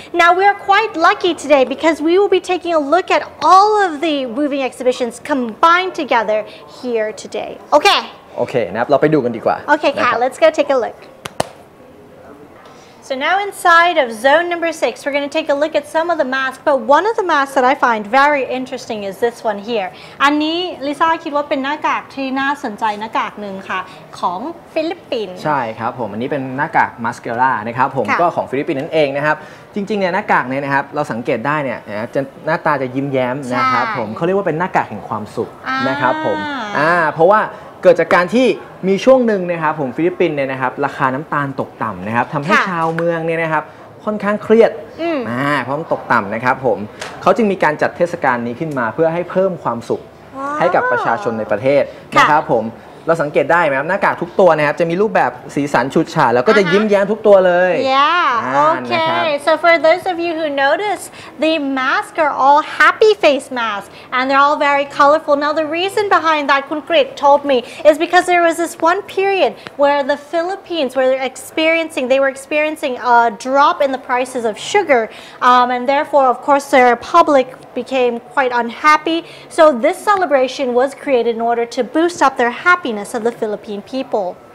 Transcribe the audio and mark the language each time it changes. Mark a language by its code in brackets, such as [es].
[en] Now, we are quite lucky today because we will be taking a look at all of the moving exhibitions combined. Together here today. Okay. [th] Okay. นะครับ เราไปดูกันดีกว่า [en] Okay, [th] ค่ะ [en] Let's go take a look. So now inside of zone number 6, we're going to take a look at some of the masks. But one of the masks that I find very interesting is this one here. [th] อันนี้ลิซ่าคิดว่าเป็นหน้ากากที่น่าสนใจหน้ากากหนึ่งค่ะของฟิลิปปินส์ใช่ครับผมอันนี้เป็นหน้ากากมาสคาร่านะครับผมก็ของฟิลิปปินส์นั่นเองนะครับจริงๆเนี่ยหน้ากากเนี่ยนะครับเราสังเกตได้เนี่ยจะหน้าตาจะยิ้มแย้มนะครับผมเขาเรียกว่าเป็นหน้ากากแห่งความสุขนะครับผมเพราะว่าเกิดจากการที่มีช่วงหนึ่งนะครับผมฟิลิปปินส์เนี่ยนะครับราคาน้ำตาลตกต่ำนะครับทำให้ชาวเมืองเนี่ยนะครับค่อนข้างเครียด เพราะมันตกต่ำนะครับผมเขาจึงมีการจัดเทศกาลนี้ขึ้นมาเพื่อให้เพิ่มความสุขให้กับประชาชนในประเทศนะครับผมเราสังเกตได้ไหมครับหน้ากากทุกตัวนะครับจะมีรูปแบบสีสันฉูดฉาดแล้วก็จะยิ้มแย้มทุกตัวเลย [en] Okay so for those of you who notice the masks are all happy face masks and they're all very colorful now the reason behind that คุณกริช told me is because there was this one period where the Philippines were experiencing a drop in the prices of sugar and therefore of course their publicbecame quite unhappy so this celebration was created in order to boost up their happiness of the Philippine people